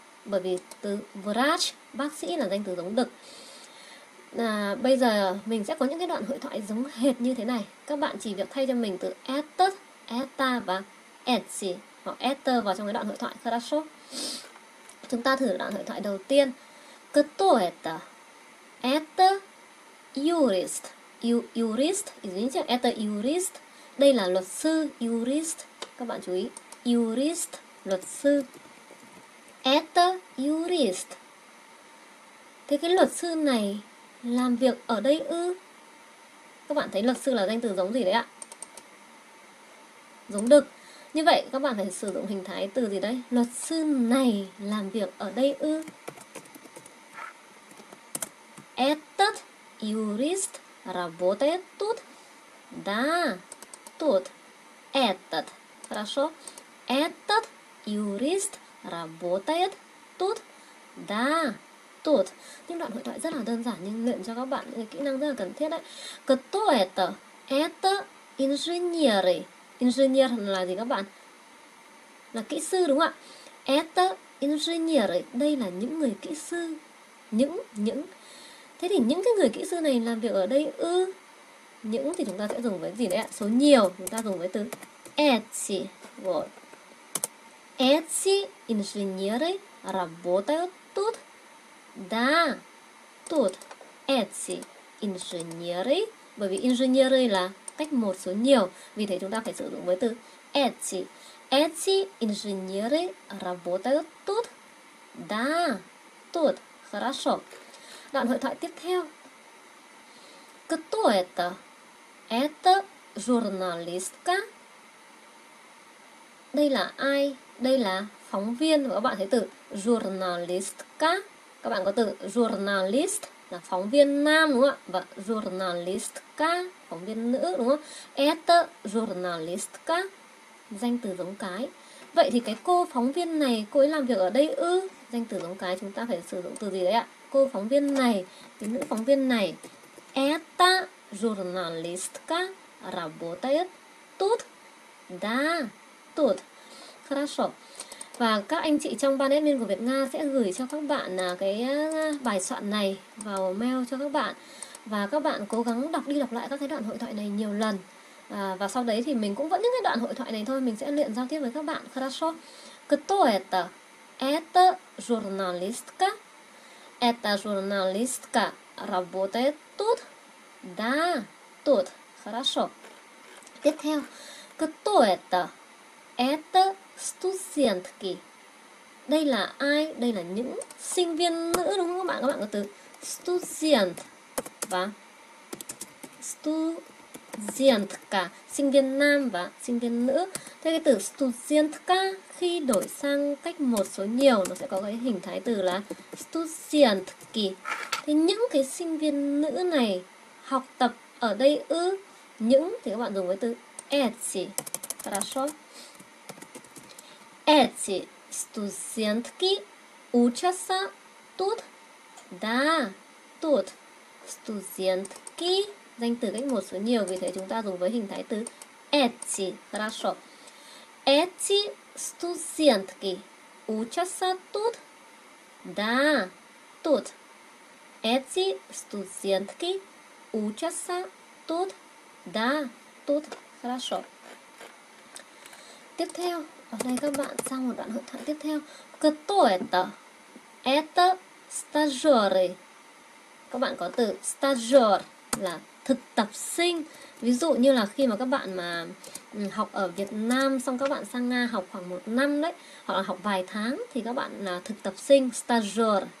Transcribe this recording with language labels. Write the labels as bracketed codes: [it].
[vi] Bởi vì từ врач, bác sĩ là danh từ giống đực. Bây giờ mình sẽ có những cái đoạn hội thoại giống hệt như thế này. Các bạn chỉ việc thay cho mình từ этот, эта và эти hoặc это vào trong cái đoạn hội thoại. [ru] Хорошо. [vi] Chúng ta thử đoạn hội thoại đầu tiên. [ru] Кто это? Это юрист. Юрист, извините, это юрист. [vi] Đây là luật sư, юрист. Các bạn chú ý, юрист, luật sư. [ru] Это юрист. [vi] Thế cái luật sư này làm việc ở đây ư? Các bạn thấy luật sư là danh từ giống gì đấy ạ? Giống đực. Như vậy các bạn phải sử dụng hình thái từ gì đấy? Luật sư này làm việc ở đây ư? [ru] Этот юрист работает тут. Да, тут. Этот. Хорошо. Этот юрист работает тут. Да, тут. [vi] Những đoạn hội thoại rất là đơn giản nhưng luyện cho các bạn những kỹ năng rất là cần thiết đấy. [ru] Кто это? Это инженер. [vi] Инженер là gì các bạn? Là kỹ sư đúng không ạ? [ru] Это инженер. [vi] Đây là những người kỹ sư. Những. Thế thì những cái người kỹ sư này làm việc ở đây ư? Những thì chúng ta sẽ dùng với gì đấy ạ? Số nhiều, chúng ta dùng với từ эти. [ru] Вот. Эти инженеры работают тут. Да, тут эти. [vi] engineering, bởi vì engineering là cách một số nhiều, vì thế chúng ta phải sử dụng với từ etsy. [ru] Etsy engineering работает тут. Да, тут хорошо. [vi] Đoạn hội thoại tiếp theo. [ru] Кто это? Это журналистка. [vi] Đây là ai? Đây là phóng viên. Các bạn thấy từ журналистка. Các bạn có từ journalist là phóng viên nam đúng không ạ? Và журналистка, phóng viên nữ đúng không? [ru] Это журналистка, [vi] danh từ giống cái. Vậy thì cái cô phóng viên này, cô ấy làm việc ở đây ư? Danh từ giống cái, chúng ta phải sử dụng từ gì đấy ạ? Cô phóng viên này, cái nữ phóng viên này. [ru] Это журналистка работает тут. Да, тут. Хорошо. [vi] Và các anh chị trong Ban Admin của Việt Nga sẽ gửi cho các bạn cái bài soạn này vào mail cho các bạn. Và các bạn cố gắng đọc đi đọc lại các cái đoạn hội thoại này nhiều lần. Và sau đấy thì mình cũng vẫn những cái đoạn hội thoại này thôi, mình sẽ luyện giao tiếp với các bạn. [ru] Хорошо. Кто это? Это журналистка. Это журналистка работает тут. Да, тут. Хорошо. [vi] Tiếp theo. [ru] Кто это? Это студентки. [vi] Đây là ai? Đây là những sinh viên nữ đúng không các bạn? Các bạn có từ студент và студентка, sinh viên nam và sinh viên nữ. Thế cái từ студентка khi đổi sang cách một số nhiều nó sẽ có cái hình thái từ là студентки. Thế những cái sinh viên nữ này học tập ở đây ư? Những thì các bạn dùng với từ эти. [ru] Хорошо. Эти студентки учатся тут. Да, тут. [vi] Студентки, danh từ cách một số nhiều, vì thế chúng ta dùng với hình thái từ эти. [ru] Хорошо. Эти студентки учатся тут. Да, тут. Эти студентки учатся тут. Да, тут. Хорошо. [vi] Tiếp theo. Ở đây các bạn sang một đoạn hội thoại tiếp theo. [ru] Кто это? Это стажеры. [vi] Các bạn có từ стажер là thực tập sinh. Ví dụ như là khi mà các bạn mà học ở Việt Nam xong các bạn sang Nga học khoảng một năm đấy, hoặc là học vài tháng thì các bạn là thực tập sinh, стажер.